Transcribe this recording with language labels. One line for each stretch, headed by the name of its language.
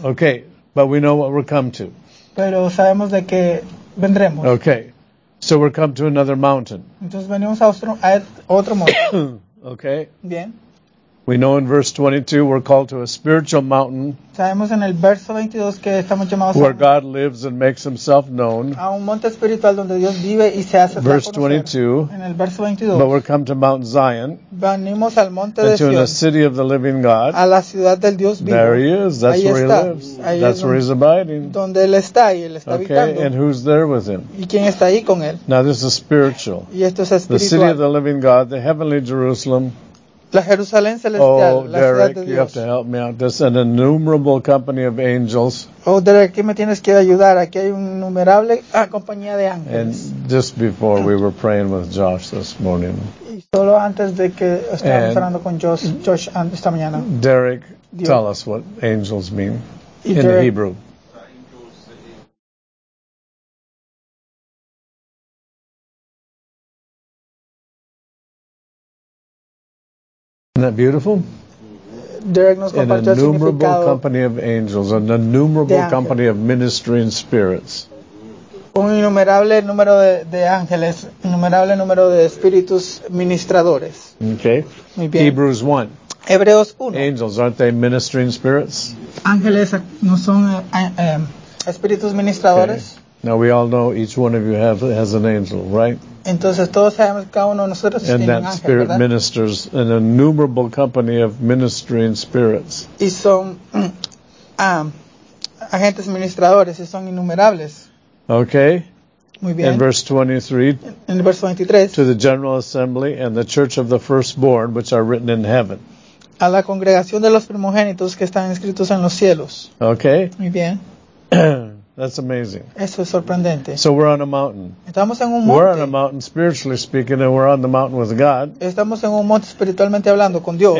English: Okay, but we know what we're come to.
Spanish: Pero sabemos de que vendremos.
English: Okay, so we're come to another mountain.
Spanish: Entonces venimos a otro monte.
English: Okay.
Spanish: Bien.
English: We know in verse 22 we're called to a spiritual mountain.
Spanish: Sabemos en el verso 22 que estamos llamados
English: where God lives and makes himself known.
Spanish: A un monte espiritual donde Dios vive y se hace conocer.
English: Verse 22.
Spanish: En el verso 22.
English: But we're come to Mount Zion.
Spanish: Venimos al monte de
English: Sion. To the city of the living God.
Spanish: A la ciudad del Dios vivo.
English: There he is. That's
Spanish: ahí where está.
English: He lives.
Spanish: Ahí
English: that's where he's abiding.
Spanish: Donde él está y él está
English: okay.
Spanish: Habitando.
English: And who's there with him?
Spanish: ¿Y quién está ahí con él?
English: Now this is spiritual.
Spanish: Y esto es espiritual.
English: The city of the living God, the heavenly Jerusalem.
Spanish: La Jerusalén celestial, oh, la Derek, ciudad de Dios.
English: You have to help me out. There's an innumerable company of angels.
Spanish: Oh, Derek, aquí me tienes que ayudar. Aquí hay una innumerable compañía de ángeles.
English: And just before we were praying with Josh this morning.
Spanish: Y solo antes de que estábamos hablando con Josh esta mañana.
English: Derek, Dios. Tell us what angels mean
Spanish: y
English: in Derek, Hebrew. Isn't that beautiful?
Spanish: Derek nos
English: an innumerable company of angels, an innumerable company of ministering spirits.
Spanish: Un innumerable número de ángeles, innumerable número de espíritus ministradores.
English: Okay.
Spanish: Muy bien.
English: Hebrews 1.
Spanish: Hebreos 1.
English: Angels, aren't they ministering spirits?
Spanish: Ángeles no son espíritus ministradores.
English: Okay. Now we all know each one of you has an angel, right?
Spanish: Entonces todos sabemos que cada uno de nosotros tiene un ángel, ¿verdad?
English: And that spirit ministers an innumerable company of ministering spirits.
Spanish: Y son agentes ministradores, y son innumerables.
English: Okay.
Spanish: Muy bien.
English: In verse 23.
Spanish: En el verso 23.
English: To the general assembly and the church of the firstborn, which are written in heaven.
Spanish: A la congregación de los primogénitos que están escritos en los cielos.
English: Okay.
Spanish: Muy bien.
English: That's amazing.
Spanish: Eso es sorprendente.
English: So we're on a mountain.
Spanish: Estamos en un monte.
English: We're on a mountain, spiritually speaking, and we're on the mountain with God.
Spanish: Estamos en un monte espiritualmente hablando con Dios.